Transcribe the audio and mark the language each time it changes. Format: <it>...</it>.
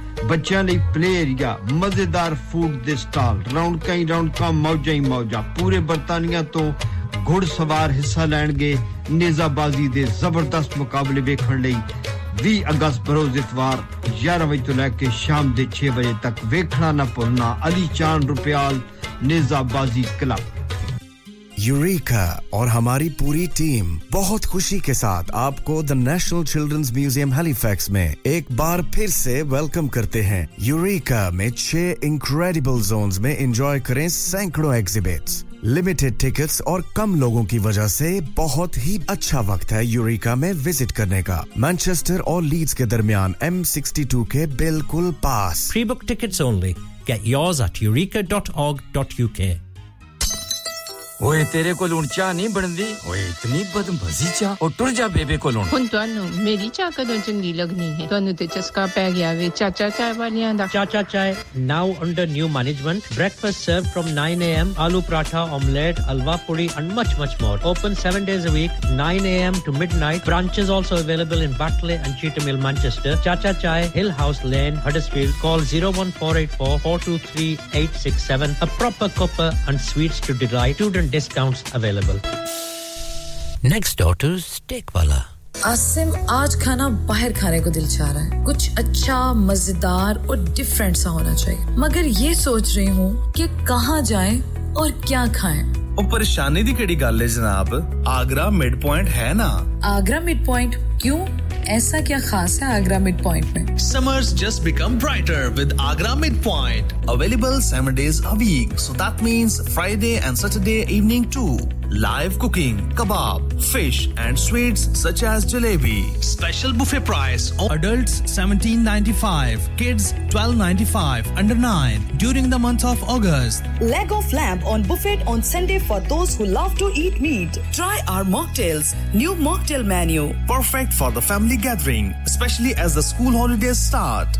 <pa>ਬੱਚਿਆਂ ਲਈ play area ਮਜ਼ੇਦਾਰ ਫੂਡ ਦੇ ਸਟਾਲ ਰੌਣਕਾਂ ਹੀ ਰੌਣਕਾਂ ਮੌਜਾਂ ਹੀ ਮੌਜਾਂ ਪੂਰੇ ਬਰਤਾਨੀਆਂ ਤੋਂ ਘੋੜ ਸਵਾਰ ਹਿੱਸਾ ਲੈਣਗੇ ਨੇਜ਼ਾਬਾਜ਼ੀ ਦੇ ਜ਼ਬਰਦਸਤ ਮੁਕਾਬਲੇ ਵੇਖਣ ਲਈ 20 ਅਗਸਤ ਬਰੋਜ਼ ਇਤਵਾਰ 11 ਵਜੇ ਤੋਂ ਲੈ ਕੇ ਸ਼ਾਮ ਦੇ 6 ਵਜੇ ਤੱਕ ਵੇਖਣਾ ਨਾ ਭੁੱਲਣਾ ਅਲੀ ਚਾਨ ਰੁਪਿਆਲ ਨੇਜ਼ਾਬਾਜ਼ੀ ਕਲੱਬ</pa> <hi>यूरेका और हमारी पूरी टीम बहुत खुशी के साथ आपको the national children's museum Halifax में एक बार फिर से वेलकम करते हैं यूरेका में 6 इनक्रेडिबल जोन्स में एंजॉय करें सैकड़ों एग्जिबिट्स लिमिटेड टिकट्स और कम लोगों की वजह से बहुत ही अच्छा वक्त है यूरेका में विजिट करने का मैनचेस्टर और लीड्स के दरमियान M62 के बिल्कुल पास</hi> <en>pre book tickets only get yours at eureka.org.uk</en> <pa>ਓਏ ਤੇਰੇ ਕੋਲ ਹੁਣ ਚਾਹ ਨਹੀਂ ਬਣਦੀ ਓਏ ਇਤਨੀ ਬਦਮਜ਼ੀ ਚਾਹ ਉਹ ਟੁਰ ਜਾ ਬੇਬੇ ਕੋਲ ਹੁਣ ਤੁਹਾਨੂੰ ਮੇਰੀ ਚਾਹ ਕਦੋਂ ਚੰਗੀ ਲੱਗਣੀ ਹੈ ਤੁਹਾਨੂੰ ਤੇ ਚਸਕਾ ਪੈ ਗਿਆ ਵੇ ਚਾਚਾ ਚਾਹ ਵਾਲਿਆਂ ਦਾ</pa> <en>Chacha Chai now under new management breakfast serve from 9 A M aloo paratha omelette halwa puri and much much more open 7 days a week 9 A M to midnight branches also available in Batley and Cheetham Manchester Chacha Chai Hill House Lane Huddersfield call 01484-423-867 a proper cuppa and sweets to delight student discounts available. Next door to Steak Wala.</en> <hi>Asim आज खाना बाहर खाने को दिल चाह रहा है कुछ अच्छा मजेदार और डिफरेंट सा होना चाहिए मगर ये सोच रही हूं कि कहां जाएं और क्या खाएं</hi> <pa>ओ परेशानी दी केड़ी गल है जनाब आगरा मिड पॉइंट है ना</pa> <hi>आगरा मिड पॉइंट क्यों ऐसा क्या खास है आगरा मिड पॉइंट में</hi> <en>Summers just become brighter with Agra mid point available 7 days a week so that means Friday and Saturday evening too Live cooking, kebab, fish and sweets such as jalebi. Special buffet price. Adults $17.95, kids $12.95, under 9, during the month of August. Leg of lamb on buffet on Sunday for those who love to eat meat. Try our mocktails, new mocktail menu. Perfect for the family gathering, especially as the school holidays start.</en>